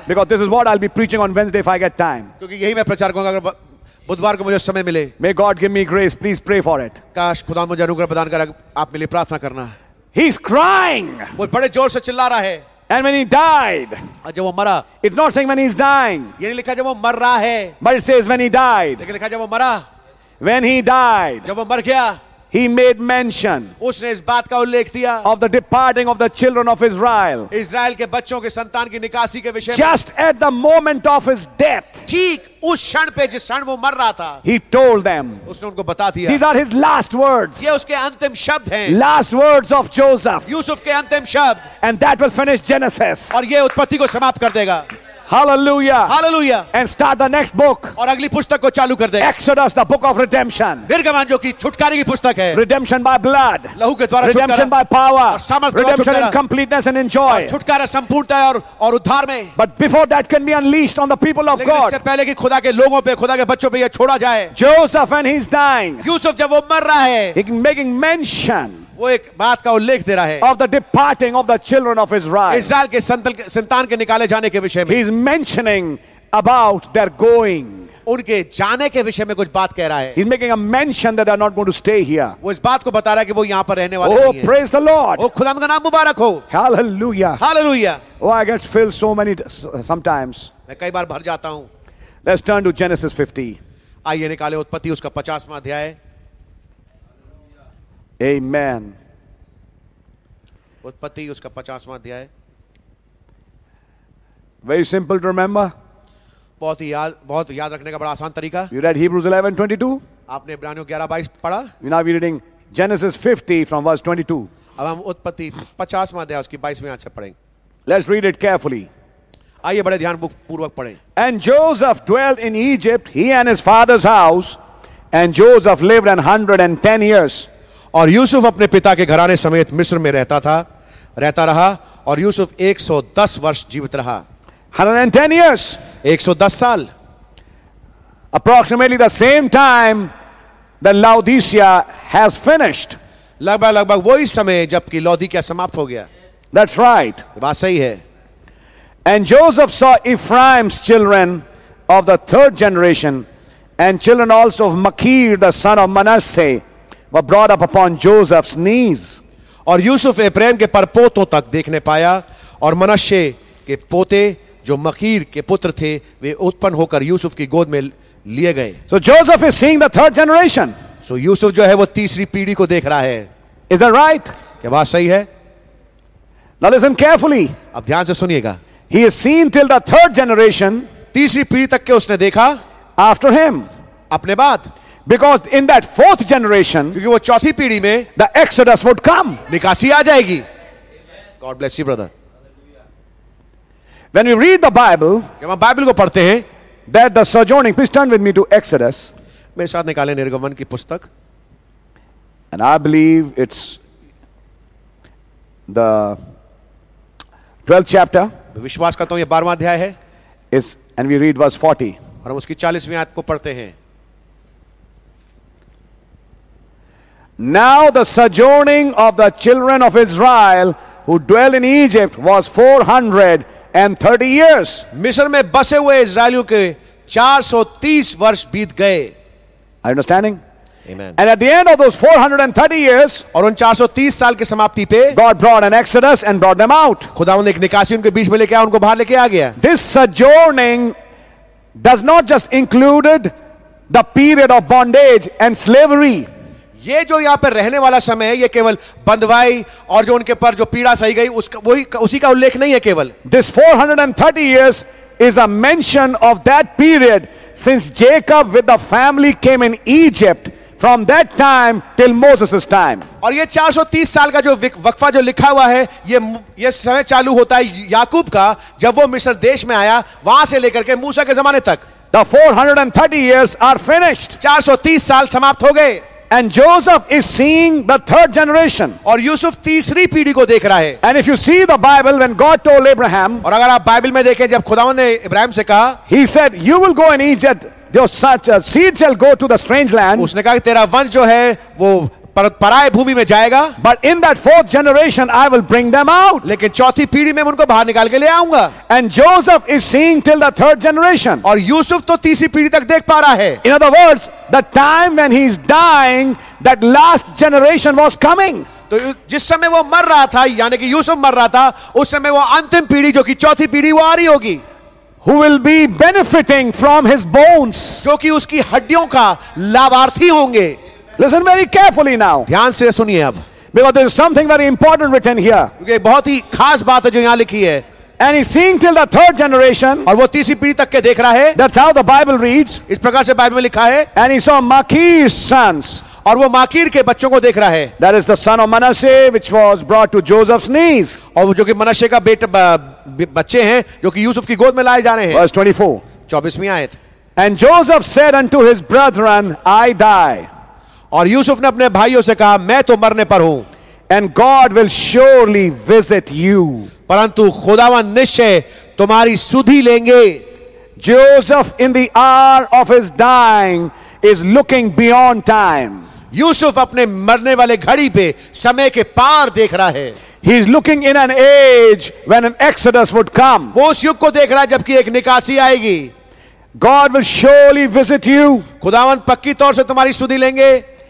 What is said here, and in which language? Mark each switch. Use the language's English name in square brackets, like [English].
[English] because this is what I'll be preaching on Wednesday if I get time, [Hindi] क्योंकि यही मैं प्रचार करूंगा अगर बुधवार को मुझे समय मिले, [English] may God give me grace, please pray for it, [Hindi] काश खुदा मुझे अनुग्रह प्रदान करे, आप मेरे लिए प्रार्थना करना, [English] he's crying, [Hindi] वो बड़े जोर से चिल्ला रहा है. [English] And when he died, [Hindi] जब वो मरा, [English] it's not saying when he's dying. [Hindi] ये नहीं लिखा जब वो मर रहा है. [English] But it says when he died. [Hindi] लेकिन लिखा जब वो मरा. [English] When he died. [Hindi] जब वो मर गया. [English] He made mention. [Hindi] उसने इस बात का उल्लेख किया. [English] Of the departing of the children of Israel. [Hindi] Israel के बच्चों के संतान की निकासी के विषय. [English] Just at the moment of his death. [Hindi] ठीक उस क्षण पे जिस क्षण वो मर रहा था. [English] He told them. [Hindi] उसने उनको बता दिया. [English] These are his last words. [Hindi] ये उसके अंतिम शब्द हैं. [English] Last words of Joseph. [Hindi] Yusuf के अंतिम शब्द. [English] And that will finish Genesis. [Hindi] और ये उत्पत्ति को समाप्त कर देगा. Hallelujah. Hallelujah. [English] And start the next book. [Hindi] और अगली पुस्तक को चालू कर दे. [English] Exodus, the book of redemption. [Hindi] निर्गमन जो कि छुटकारे की पुस्तक है. [English] Redemption by blood. [Hindi] लहू के द्वारा [English] redemption [Hindi] छुटकारा. [English] Redemption by power. [Hindi] और सामर्थ्य [English] redemption in completeness and in joy. [Hindi] छुटकारा संपूर्णता और उद्धार में. [English] But before that can be unleashed on the people of God. [Hindi] इससे पहले कि खुदा के लोगों पे खुदा के बच्चों पे ये छोड़ा जाए. [English] Joseph and he's dying. [Hindi] Yusuf जब वो मर रहा है. [English] He's making mention. [Hindi] वो एक बात का उल्लेख दे रहा है. [English] Of the departing of the children of Israel. [Hindi] Israel के संतान के निकाले जाने के विषय में. [English] He is mentioning about their going. [Hindi] उनके जाने के विषय में कुछ बात कह रहा है. [English] He's making a mention that they are not going to stay here. [Hindi] वो इस बात को बता रहा है कि वो यहाँ पर रहने वाले नहीं हैं. [English] Oh, praise the Lord. [Hindi] ओ खुदा का नाम मुबारक हो. Hallelujah. Hallelujah. [English] Oh, I get filled so many sometimes. [Hindi] मैं कई बार भर जाता हूँ. [English] Let's turn to Genesis 50. [Hindi] आइए निकाले उत्पत्ति उसका 50वां अध्याय. Amen. उत्पत्ति उसका 50वां अध्याय. [English] Very simple to remember. [Hindi] बहुत याद रखने का बड़ा आसान तरीका. [English] You read Hebrews 11:22. [Hindi] आपने इब्रानियों 11:22 पढ़ा. [English] We now be reading Genesis 50 from verse 22. [Hindi] अब हम उत्पत्ति 50वां अध्याय उसकी 22वीं आयत से पढ़ेंगे. [English] Let's read it carefully. [Hindi] आइए बड़े ध्यानपूर्वक पढ़ें. [English] And Joseph dwelt in Egypt, he and his father's house, and Joseph lived 110 years. [Hindi] और यूसुफ अपने पिता के घराने समेत मिस्र में रहता रहा और यूसुफ 110 वर्ष जीवित रहा. [English] 110 years. [Hindi] 110 साल. [English] Approximately the same time the Laodicea has finished. [Hindi] लगभग वही समय जबकि लौदीकिया समाप्त हो गया. [English] That's right. [Hindi] बात सही है. [English] And Joseph saw Ephraim's children of the third generation, and children also of Machir, the son of Manasseh, were brought up upon Joseph's knees. [Hindi] और यूसुफ एप्रेम के परपोतों तक देखने पाया, और मनश्शे के पोते जो मकीर के पुत्र थे, वे उत्पन्न होकर यूसुफ की गोद में लिए गए. [English] So Joseph is seeing the third generation. [Hindi] So Yusuf जो है वो तीसरी पीढ़ी को देख रहा है. [English] Is that right? [Hindi] क्या बात सही है? [English] Now listen carefully. [Hindi] अब ध्यान से सुनिएगा. [English] He has seen till the third generation. [Hindi] तीसरी पीढ़ी तक के उसने देखा. [English] After him. [Hindi] अपने बाद. [English] Because in that fourth generation. [Hindi] क्योंकि वो चौथी पीढ़ी में. [English] The exodus would come. [Hindi] निकासी आ जाएगी. [English] God bless you, brother. When we read the Bible. [Hindi] जब हम बाइबल को पढ़ते हैं. [English] That the sojourning. Please turn with me to Exodus. [Hindi] मेरे साथ निकालें निर्गमन की पुस्तक. [English] And I believe it's the 12th chapter. [Hindi] विश्वास करता हूं यह 12वां अध्याय है. [English] इस and we read verse 40 [Hindi] और हम उसकी 40वीं आयत को पढ़ते हैं. [English] Now the sojourning of the children of Israel who dwell in Egypt was 430 years. [Hindi] मिस्र में बसे हुए इज़राइलियों के 430 वर्ष बीत गए. [English] I understanding. Amen. And at the end of those 430 years, [Hindi] और उन 430 साल के समाप्ति पे, [English] God brought an exodus and brought them out. [Hindi] खुदावंद एक निकासी उनके बीच में लेके आया, उनको बाहर लेके आ गया. [English] This sojourning does not just included the period of bondage and slavery. [Hindi] ये जो यहाँ पे रहने वाला समय है, ये केवल बंधवाई और जो उनके पर जो पीड़ा सही गई उसका वही उसी का उल्लेख नहीं है केवल. [English] This 430 years is a mention of that period since Jacob with the family came in Egypt. From that time till Moses' time. [Hindi] और ये 430 साल का जो वक्फा जो लिखा हुआ है, ये समय चालू होता है याकूब का, जब वो मिस्र देश में आया, वहाँ से लेकर के मूसा के ज़माने तक. [English] The 430 years are finished. [Hindi] 430 साल समाप्त हो गए. [English] And Joseph is seeing the third generation. [Hindi] और यूसुफ तीसरी पीढ़ी को देख रहा है. [English] And if you see the Bible, when God told Abraham. [Hindi] और अगर आप बाइबल में देखें, जब खुदावंद ने इब्राहिम से कहा. [English] He said, "You will go in Egypt." Seed shall go to the strange land. [Hindi] उसने कहा कि तेरा वंश जो है वो पराए भूमि में जाएगा. [English] But in that fourth generation, I will bring them out. [Hindi] लेकिन चौथी पीढ़ी में उनको बाहर निकाल के ले आऊंगा. [English] And Joseph is seeing till the third generation. [Hindi] और यूसुफ तो तीसरी पीढ़ी तक देख पा रहा है. [English] In other words, the time when he is dying, that last generation was coming. [Hindi] तो जिस समय वो मर रहा था, यानी कि यूसुफ मर रहा था, उस समय वो अंतिम पीढ़ी जो कि चौथी पीढ़ी वो आ रही होगी. [English] Who will be benefiting from his bones? [Hindi] जो कि उसकी हड्डियों का लाभार्थी होंगे. [English] Listen very carefully now. [Hindi] ध्यान से सुनिए अब. [English] Because there is something very important written here. [Hindi] क्योंकि बहुत ही खास बात है जो यहाँ लिखी है. [English] And he's seeing till the third generation. [Hindi] और वो तीसरी पीढ़ी तक के देख रहा है. [English] That's how the Bible reads. [Hindi] इस प्रकार से बाइबल में लिखा है. [English] And he saw Machir's sons. [Hindi] और वो माकीर के बच्चों को देख रहा है. [English] That is the son of Manasseh, which was brought to Joseph's knees. [Hindi] और जो कि मनश्शे का बेटा बच्चे हैं, जो कि यूसुफ की गोद में लाए जा रहे हैं. [English] Verse 24. [Hindi] 24वीं आयत. [English] And Joseph said unto his brethren, I die. [Hindi] और यूसुफ ने अपने भाइयों से कहा, मैं तो मरने पर हूं. [English] And God will surely visit you. [Hindi] परंतु खुदावंद निश्चय तुम्हारी सुधि लेंगे. [English] Joseph in the hour of his dying is looking beyond time. [Hindi] Yusuf अपने मरने वाले घड़ी पे समय के पार देख रहा है. [English] He is looking in an age when an exodus would come. [Hindi] वो उस युग को देख रहा है जबकि एक निकासी आएगी. [English] God will surely visit you. [Hindi] खुदावन पक्की तौर से तुम्हारी सुधि लेंगे.